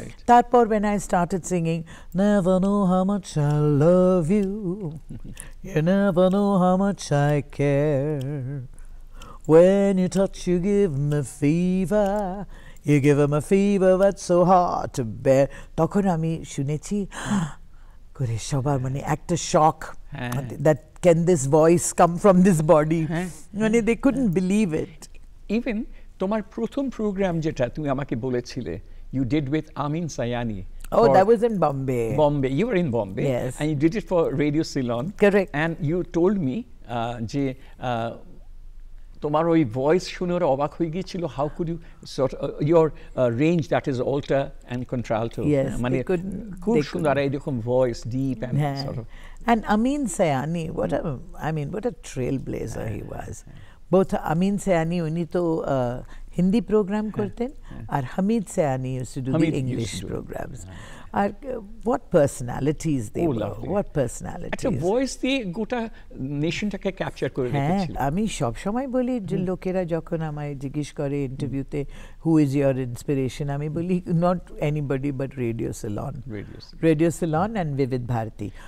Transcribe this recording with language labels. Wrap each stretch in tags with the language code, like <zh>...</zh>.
<bn>তারপর</bn> <en>When I started singing, never know how much I love you, you never know how much I care, when you touch you give me fever, you give him a fever that's so hard to bear.</en> <bn>Tokhon ami shunechi kore shobar mane ekta shock,</bn> <en>that can this voice come from this body, mane they couldn't believe it.</en> <bn>Even tomar prothom program jeta tumi amake bolechile,</bn> <en>you did with Amin Sayani. Oh, that was in Bombay. Bombay, you were in Bombay, yes. And you did it for Radio Ceylon, correct? And you told me je</en> <bn>তোমার ওই voice শুনে অবাক হয়ে গিয়েছিল,</bn> <en>how could you sort your range that is alto and contralto,</en> <bn>মানে খুব সুন্দর এইরকম voice,</bn> <en>Deep and sort of. And Amin Sayani, what a, I mean, what a trailblazer he was. Both Amin Sayani,</en> <bn>উনি তো হিন্দি প্রোগ্রাম করতেন,</bn> <en>আর Hamid Sayani used to do the English programmes, আর what personalities they were, what personalities,</en> <bn>একটা voice দি গোটা নেশনটাকে capture করে রেখেছিল। হ্যাঁ, আমি সব সময় বলি যে লোকেরা যখন আমায় জিজ্ঞেস করে ইন্টারভিউতে,</bn> <en>who is your inspiration,</en> <bn>আমি বলি</bn> <en>not anybody but radio Ceylon,</en> <bn>radio salon and বিবিদ Bharati.</bn>